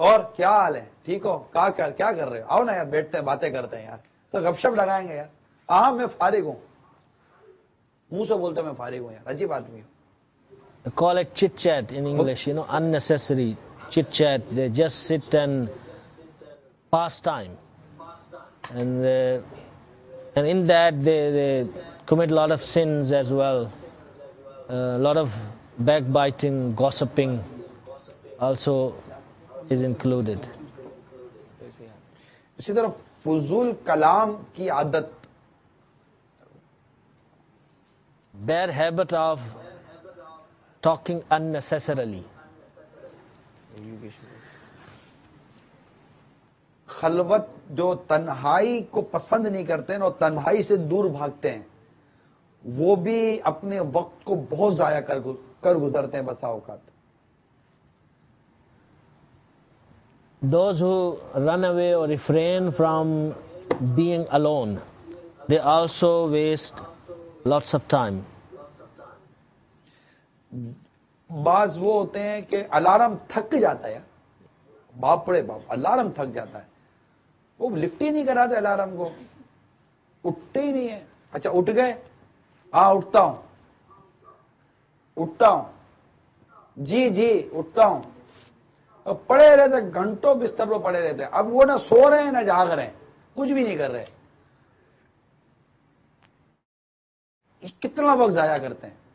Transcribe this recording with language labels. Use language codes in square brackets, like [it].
[ur] اور کیا حال ہے, ٹھیک ہو, کہاں کر کیا کر رہے ہو, آؤ نا یار بیٹھتے ہیں باتیں کرتے ہیں یار, تو گپ شپ لگائیں گے یار. ہاں میں فارغ ہوں, منہ سے بولتے میں فارغ ہوں یار, عجیب آدمی ہوں. [en] Call it chit chat in English, you know, unnecessary. Chit chat, they just sit and pass time, and in that they commit a lot of sins as well, a lot of backbiting, gossiping also is included. [ur] اسی طرح فضول کلام کی عادت, [en] bad habit of talking unnecessarily. [ur] خلوت جو تنہائی کو پسند نہیں کرتے ہیں اور تنہائی سے دور بھاگتے ہیں وہ بھی اپنے وقت کو بہت ضائع کر گزرتے ہیں بسا اوقات. [en] Those who run away or refrain from being alone, they also waste lots of time. [ur] بعض وہ ہوتے ہیں کہ الارم تھک جاتا ہے, باپڑے باپ الارم تھک جاتا ہے, وہ لفٹ ہی نہیں کراتا الارم کو, اٹھتے ہی نہیں ہے. اچھا اٹھ گئے, ہاں اٹھتا ہوں اٹھتا ہوں, جی جی اٹھتا ہوں, پڑے رہتے گھنٹوں بستر پہ پڑے رہتے, اب وہ نہ سو رہے ہیں نہ جاگ رہے ہیں, کچھ بھی نہیں کر رہے, کتنا وقت ضائع کرتے ہیں.